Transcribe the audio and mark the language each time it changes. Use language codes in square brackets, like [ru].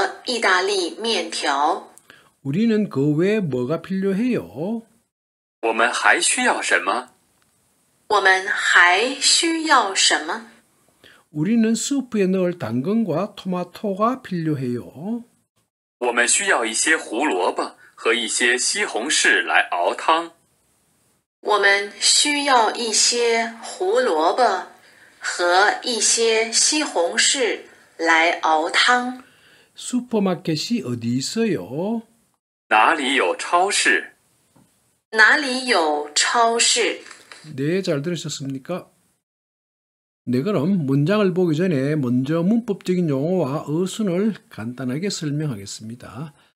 [zh] 我们需要比萨饼和意大利面条. [ko] 우리는 그 외에 뭐가 필요해요? [zh] 我们还需要什么? [ko] 우리는 수프에 넣을 당근과 토마토가 필요해요. [zh] 我们需要一些胡萝卜和一些西红柿来熬汤. 我们需要一些胡萝卜和一些西红柿来熬汤. [ko] 슈퍼마켓이 어디 있어요? [zh] 哪里有超市? 哪里有超市? [ko] 네, 잘 들으셨습니까? 네, 그럼 문장을 보기 전에 먼저 문법적인 용어와 어순을 간단하게 설명하겠습니다.